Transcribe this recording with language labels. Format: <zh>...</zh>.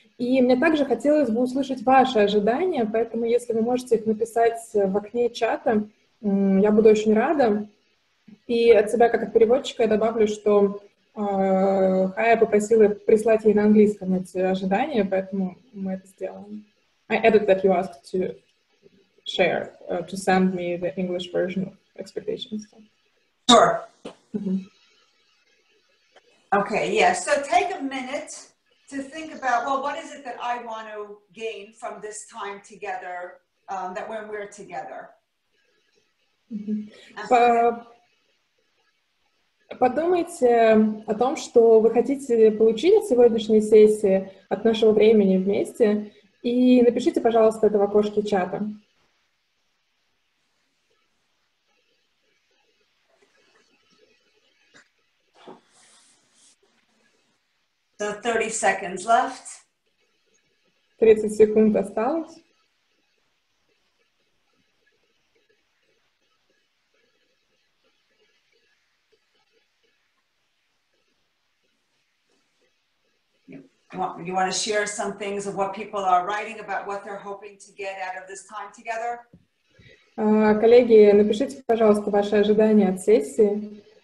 <ru>И мне также хотелось бы услышать ваши ожидания, поэтому если вы можете их написать в окне чата, я буду очень рада. И от себя, как от переводчика, я добавлю, что Хая попросила прислать ей на английском эти ожидания, поэтому мы это сделаем.</ru> <en>I added that you asked to share, to send me the English version of expectations. Sure. Okay, yeah. So take a minute to think about, well, what is it that I want to gain from this time together, that when we're together? Mm-hmm.</en> <ru>Подумайте о том, что вы хотите получить от сегодняшней сессии, от нашего времени вместе, и напишите, пожалуйста, это в окошке чата.</ru> <en>So 30 seconds left.</en> <ru>30 секунд осталось.</ru> <en>You want to share some things of what people are writing about what they're hoping to get out of this time together?</en> <ru>Коллеги, напишите, пожалуйста, ваши ожидания от сессии.</ru>